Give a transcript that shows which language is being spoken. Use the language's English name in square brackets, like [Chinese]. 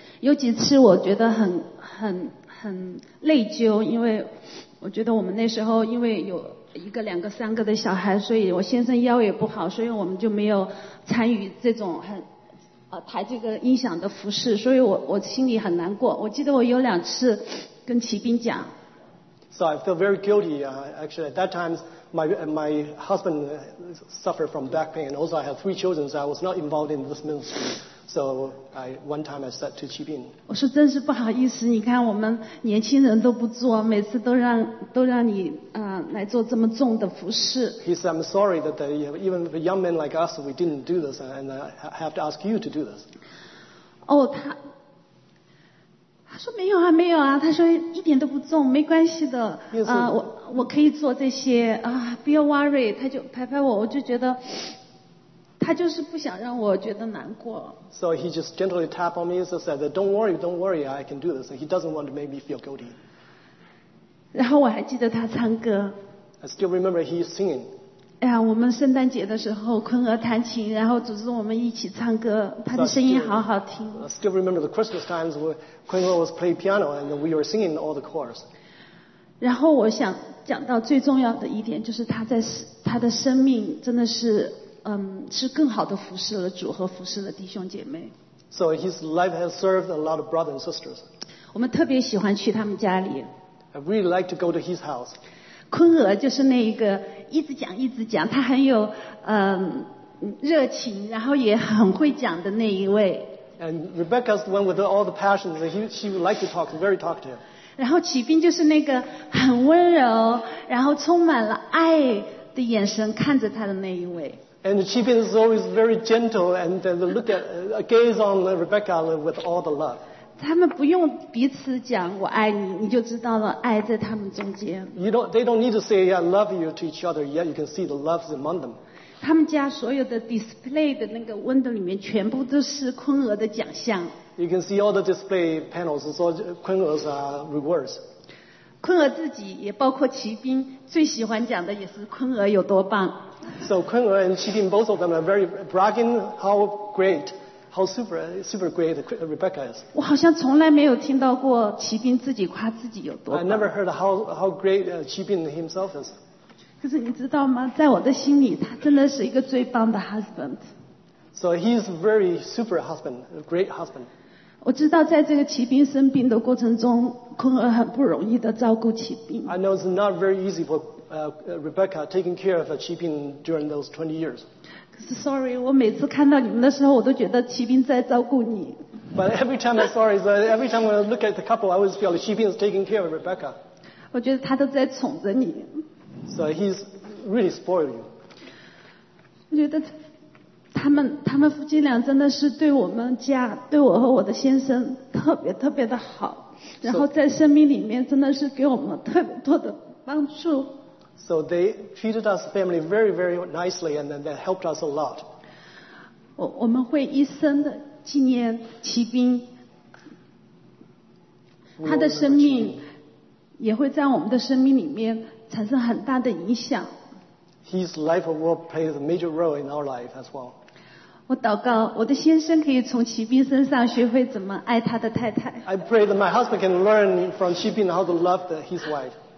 [Chinese] 有几次我觉得很内疚，因为我觉得我们那时候因为有一个两个三个的小孩，所以我先生腰也不好，所以我们就没有参与这种很抬这个音响的服饰，所以我心里很难过。我记得我有两次跟齐斌讲。 [English] So I feel very guilty. Actually, at that time, my husband suffered from back pain. Also, I have 3 children, so I was not involved in this ministry. So one time I said to Qi Bin. [Chinese] 我说真是不好意思，你看我们年轻人都不做，每次都让你来做这么重的服饰。 [English] He said, I'm sorry that even the young men like us, we didn't do this, and I have to ask you to do this. Oh, [Chinese] 他说没有啊，没有啊，他说一点都不重，没关系的，我可以做这些啊，不要 worry。他就拍拍我，我就觉得他就是不想让我觉得难过。 [English] So he just gently tap on me and said that don't worry, don't worry, I can do this. And he doesn't want to make me feel guilty. [Chinese] 然后我还记得他唱歌。 [English] I still remember he is singing. [Chinese] 哎呀，我们圣诞节的时候，坤儿弹琴，然后组织我们一起唱歌，他的声音好好听。 [English] I still remember the Christmas times when 坤儿 was playing piano and we were singing all the chorus. [Chinese] 然后我想讲到最重要的一点，就是他的生命真的是。是更好地服侍了主和服侍了弟兄姐妹。 [English] So his life has served a lot of brothers and sisters. [Chinese] 我们特别喜欢去他们家里。 [English] I really like to go to his house. [Chinese] 坤儿就是那一个一直讲一直讲，他很有热情，然后也很会讲的那一位。 [English] And Rebecca's the one with all the passions. She would like to talk, very talkative. [Chinese] 然后启斌就是那个很温柔，然后充满了爱的眼神看着他的那一位。 [English] And Chibin is always very gentle and look at, gaze on Rebecca with all the love. [Chinese] 他们不用彼此讲我爱你，你就知道了爱在他们中间。 [English] They don't need to say I love you to each other, yet you can see the love is among them. [Chinese] 他们家所有的 display 的那个 window 里面全部都是坤儿的奖项。 [English] You can see all the display panels, it's all 坤儿's rewards. [Chinese] 坤儿自己也包括齐斌最喜欢讲的也是坤儿有多棒。 [English] So Kun Er and Chi Bin, both of them are very bragging how great, how super great Rebecca is. [Chinese] 我好像从来没有听到过齐斌自己夸自己有多棒。 [English] I never heard how great Chi Bin himself is. [Chinese] 可是你知道吗？在我的心里，他真的是一个最棒的 husband. [English] So he's very super husband, a great husband. [Chinese] 我知道在这个齐斌生病的过程中，坤儿很不容易地照顾齐斌。 [English] I know it's not very easy for Rebecca taking care of Chi Bin during those 20 years. [Chinese] Sorry, 我每次看到你们的时候，我都觉得齐斌在照顾你。 [English] But every time I saw it, every time I look at the couple, I always feel like Chi Bin is taking care of Rebecca. [Chinese] 我觉得他都在宠着你。 [English] So he's really spoiling you. [Chinese] 我觉得他们夫妻俩真的是对我们家，对我和我的先生特别特别的好，然后在生命里面真的是给我们特别多的帮助。 [English] So they treated us family very, very nicely, and then they helped us a lot. [Chinese] 我们会一生的纪念齐斌，他的生命也会在我们的生命里面产生很大的影响。 [English] His life will play a major role in our life as well. [Chinese] 我祷告我的先生可以从齐斌身上学会怎么爱他的太太。 [English] I pray that my husband can learn from Chi Bin how to love his wife.